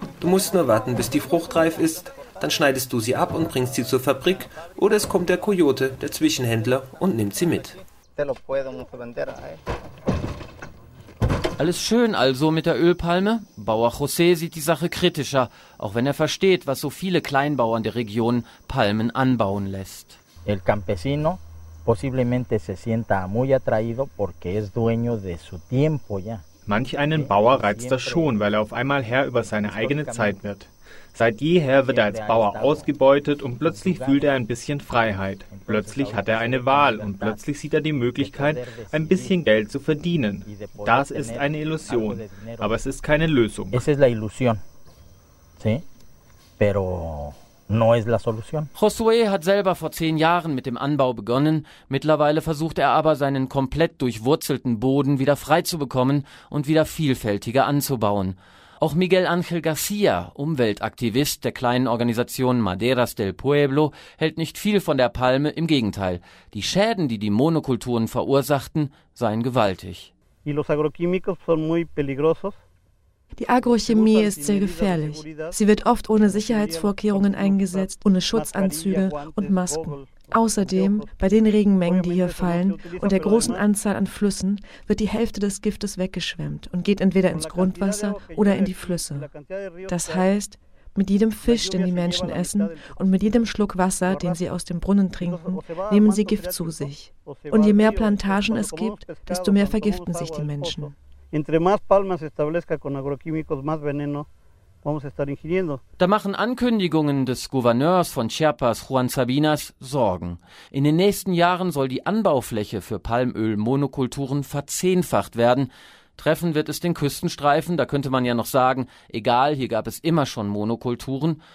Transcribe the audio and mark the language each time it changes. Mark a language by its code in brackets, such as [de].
[de] Du musst nur warten, bis die Frucht reif ist, dann schneidest du sie ab und bringst sie zur Fabrik, oder es kommt der Coyote, der Zwischenhändler, und nimmt sie mit. Alles schön also mit der Ölpalme? Bauer José sieht die Sache kritischer, auch wenn er versteht, was so viele Kleinbauern der Region Palmen anbauen lässt. [es] El campesino posiblemente se sienta muy atraído porque es dueño de su tiempo ya. [de] Manch einen Bauer reizt das schon, weil er auf einmal Herr über seine eigene Zeit wird. Seit jeher wird er als Bauer ausgebeutet und plötzlich fühlt er ein bisschen Freiheit. Plötzlich hat er eine Wahl und plötzlich sieht er die Möglichkeit, ein bisschen Geld zu verdienen. Das ist eine Illusion, aber es ist keine Lösung. Es ist [es] la ilusión, sí, pero no es la solución. [de] Josué hat selber vor 10 Jahren mit dem Anbau begonnen. Mittlerweile versucht er aber, seinen komplett durchwurzelten Boden wieder freizubekommen und wieder vielfältiger anzubauen. Auch Miguel Ángel García, Umweltaktivist der kleinen Organisation Maderas del Pueblo, hält nicht viel von der Palme, im Gegenteil. Die Schäden, die die Monokulturen verursachten, seien gewaltig. [es] Y los agroquímicos son muy peligrosos. [de] Die Agrochemie ist sehr gefährlich. Sie wird oft ohne Sicherheitsvorkehrungen eingesetzt, ohne Schutzanzüge und Masken. Außerdem, bei den Regenmengen, die hier fallen, und der großen Anzahl an Flüssen, wird die Hälfte des Giftes weggeschwemmt und geht entweder ins Grundwasser oder in die Flüsse. Das heißt, mit jedem Fisch, den die Menschen essen, und mit jedem Schluck Wasser, den sie aus dem Brunnen trinken, nehmen sie Gift zu sich. Und je mehr Plantagen es gibt, desto mehr vergiften sich die Menschen. [es] Entre más palmas establezca con agroquímicos, más veneno vamos a estar ingiriendo. [de] Da machen Ankündigungen des Gouverneurs von Chiapas, Juan Sabinas, Sorgen. In den nächsten Jahren soll die Anbaufläche für Palmöl-Monokulturen verzehnfacht werden. Treffen wird es den Küstenstreifen, da könnte man ja noch sagen, egal, hier gab es immer schon Monokulturen.